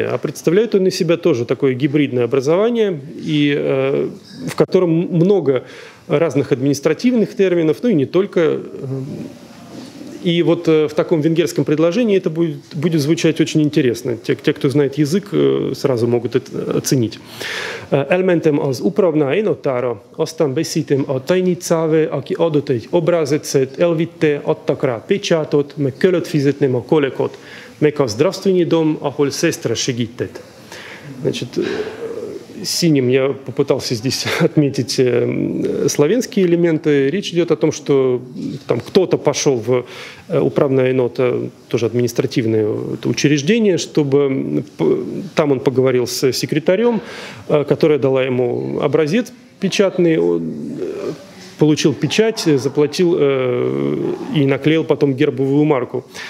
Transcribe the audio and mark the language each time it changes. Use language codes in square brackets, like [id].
[ru] А представляет он из себя тоже такое гибридное образование, и, в котором много разных административных терминов, ну и не только. И вот в таком венгерском предложении это будет звучать очень интересно. Те, кто знает язык, сразу могут это оценить. [hu] Elmentem az upravná enotára, aztán beszítem a tajnicáve, aki adott egy obrázetszet, elvitte, adtak rá pecsátot, meg kellett fizetnem a kolekot, meg a zdravstvenyi dom, ahol sestra segített. [ru] Значит, синим я попытался здесь отметить славянские элементы. Речь идет о том, что там кто-то пошел в управная нота, тоже административное учреждение, чтобы там он поговорил с секретарем, которая дала ему образец печатный, получил печать, заплатил и наклеил потом гербовую марку.